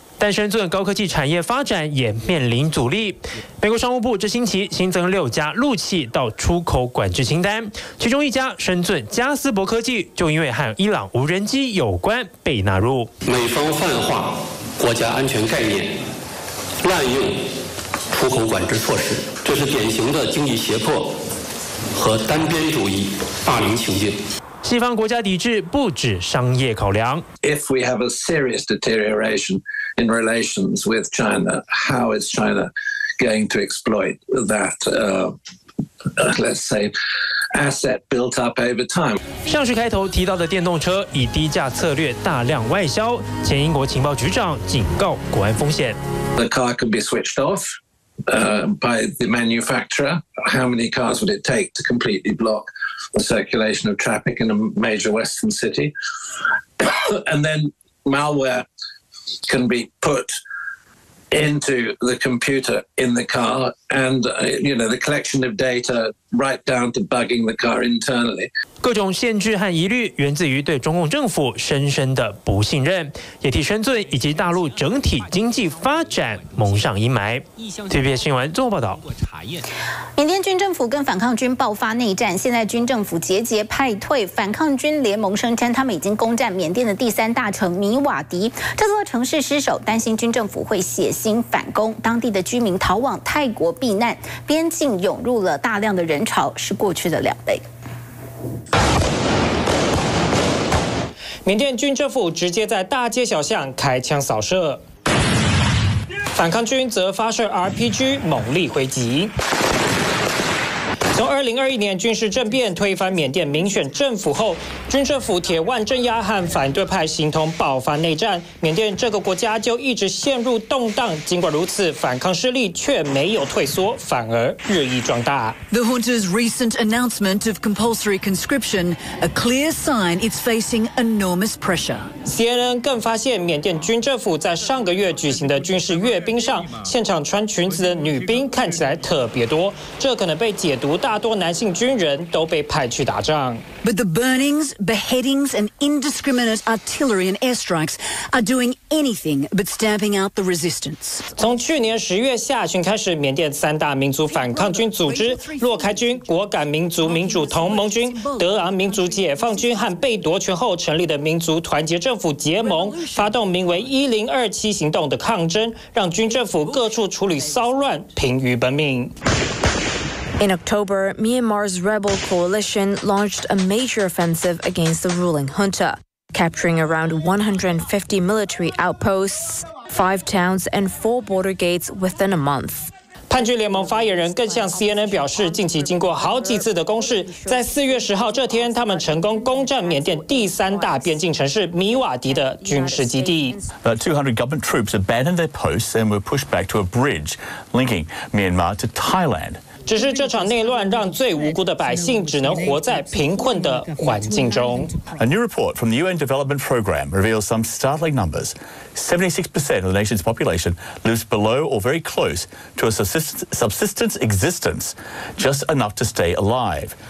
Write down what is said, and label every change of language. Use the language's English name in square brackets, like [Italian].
[Chinese] 但深圳高科技产业发展也面临阻力。美国商务部这星期新增6家陆器到出口管制清单，其中一家深圳加斯伯科技就因为和伊朗无人机有关被纳入。美方泛化国家安全概念，滥用出口管制措施，这是典型的经济胁迫和单边主义霸凌情境。西方国家抵制不止商业考量。 [English] If we have a serious deterioration in relations with China, how is China going to exploit that, let's say, asset built up over time? [Chinese] 上市开头提到的电动车以低价策略大量外销，前英国情报局长警告国安风险。 [English] The car can be switched off by the manufacturer. How many cars would it take to completely block? The circulation of traffic in a major Western city, and then malware can be put into the computer in the car, and you know the collection of data. right down to bugging the car internally. [Chinese] 各种限制和疑虑源自于对中共政府深深的不信任，也替深圳以及大陆整体经济发展蒙上阴霾。 TVBS 新闻做报道。缅甸军政府跟反抗军爆发内战，现在军政府节节派退，反抗军联盟声称他们已经攻占缅甸的第三大城米瓦迪，这座城市失守，担心军政府会血腥反攻，当地的居民逃往泰国避难，边境涌入了大量的人潮，是过去的两倍。缅甸军政府直接在大街小巷开枪扫射，反抗军则发射 RPG 猛力回击。从2021年军事政变推翻缅甸民选政府后，军政府铁腕镇压和反对派形同爆发内战，缅甸这个国家就一直陷入动荡。尽管如此，反抗势力却没有退缩，反而日益壮大。 [English] The junta's recent announcement of compulsory conscription, a clear sign it's facing enormous pressure. [Chinese] CNN 更发现，缅甸军政府在上个月举行的军事阅兵上，现场穿裙子的女兵看起来特别多，这可能被解读大多男性军人都被派去打仗。 [English] But the burnings, beheadings, and indiscriminate artillery and airstrikes are doing anything but stamping out the resistance. [Chinese] 从去年十月下旬开始，缅甸三大民族反抗军组织洛开军、果敢民族民主同盟军、德昂民族解放军和被夺权后成立的民族团结政府结盟，发动名为1027行动的抗争，让军政府各处处理骚乱，疲于奔命。 [English] In October, Myanmar's rebel coalition launched a major offensive against the ruling junta, capturing around 150 military outposts, 5 towns, and 4 border gates within a month. [Chinese] 叛军联盟发言人更向 CNN 表示，近期经过好几次的攻势，在4月10号这天，他们成功攻占缅甸第三大边境城市米瓦迪的军事基地。 [English] 200 government troops abandoned their posts and were pushed back to a bridge linking Myanmar to Thailand. [Chinese] 只是这场内乱让最无辜的百姓只能活在贫困的环境中。 [English] A new report from the UN Development Program reveals some startling numbers. 76% of the nation's population lives below or very close to a subsistence existence, just enough to stay alive.